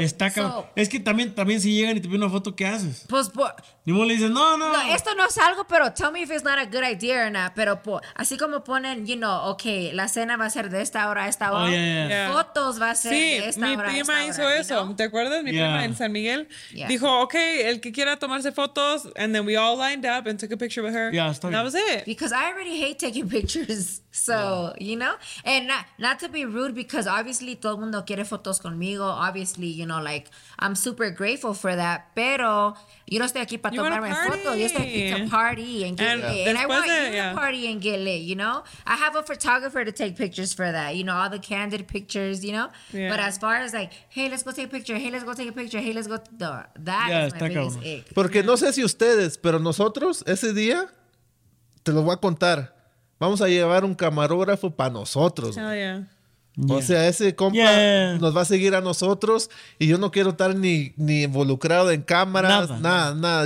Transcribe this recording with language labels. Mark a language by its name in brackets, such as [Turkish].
[Spanish] Está cabrón. [English] So, [Spanish] es que también si llegan y te piden una foto, ¿qué haces? Pues, ni modo le dices, no. Esto no es algo, pero [English] tell me if it's not a good idea or not. [Spanish] Pero así como ponen, [English] you know, okay, [Spanish] la cena va a ser de esta hora a esta hora. [English] Yeah. [Spanish] Fotos va a ser de esta hora a esta hora. Sí, mi prima hizo eso. [English] You know? [Spanish] ¿Te acuerdas? Mi prima en San Miguel. [English] Yeah. [Spanish] Dijo, okay, el que quiera tomarse fotos, [English] and then we all lined up and took a picture with her. [Spanish] Yeah, está bien. [English] That was it. Because I already hate taking pictures, so you know, and not to be rude, because obviously [Spanish] todo el mundo quiere fotos conmigo, [English] obviously, you know, like I'm super grateful for that, [Spanish] pero yo no estoy aquí [English] para tomarme fotos, yo estoy aquí to party and I want you to party and get lit, you know. I have a photographer to take pictures for that, you know, all the candid pictures, you know. Yeah. But as far as like, hey let's go take a picture, that is my biggest ick. [Spanish] Porque no sé si ustedes, pero nosotros ese día, te lo voy a contar, vamos a llevar un camarógrafo para nosotros. [English] Hell yeah. [Spanish] O sea, ese compa nos va a seguir a nosotros, y yo no quiero estar ni involucrado en cámaras, nada.